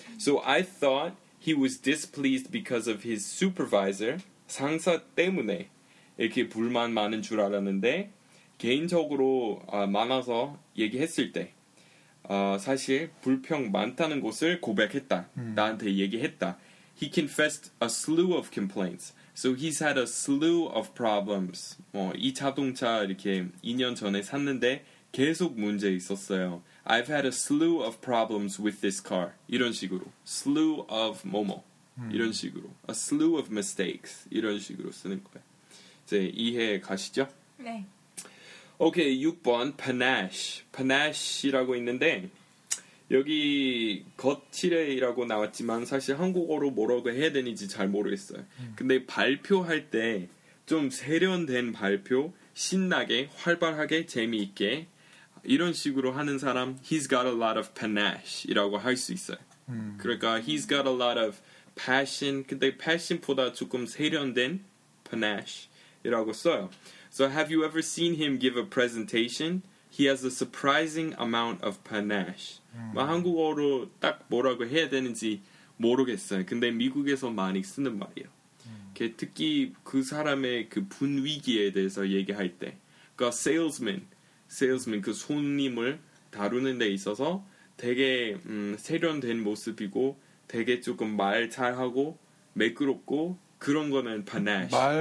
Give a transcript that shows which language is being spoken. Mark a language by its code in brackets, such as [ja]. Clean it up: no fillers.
[en] So I thought he was displeased because of his supervisor, [ko] 상사 때문에 이렇게 불만 많은 줄 알았는데 개인적으로 많아서 얘기했을 때 사실 불평 많다는 것을 고백했다. 나한테 얘기했다. [en] He confessed a slew of complaints. So he's had a slew of problems. [ko] 뭐, 이 자동차 이렇게 2년 전에 샀는데 계속 문제 있었어요. [en] I've had a slew of problems with this car. [ko] 이런 식으로. Slew of 뭐뭐. 이런 식으로. [en] A slew of mistakes. [ko] 이런 식으로 쓰는 거예요. 이제 이해 가시죠? 네. 오케이, 6번 panache. panache이라고 있는데 여기 겉칠해이라고 나왔지만 사실 한국어로 뭐라고 해야 되는지 잘 모르겠어요. 근데 발표할 때 좀 세련된 발표, 신나게, 활발하게, 재미있게 이런 식으로 하는 사람 [en] he's got a lot of panache [ko] 이라고 할 수 있어요. 그러니까 [en] he's got a lot of passion. [ko] 근데 passion보다 조금 세련된 panache이라고 써요. [en] So have you ever seen him give a presentation? He has a surprising amount of panache. [ko] 뭐 한국어로 딱 뭐라고 해야 되는지 모르겠어요. 근데 미국에서 많이 쓰는 말이에요. 특히 그 사람의 그 분위기에 대해서 얘기할 때. 그러니까 salesman 그 손님을 다루는 데 있어서 되게 세련된 모습이고 되게 조금 말 잘하고 매끄럽고 그런 거는 panache.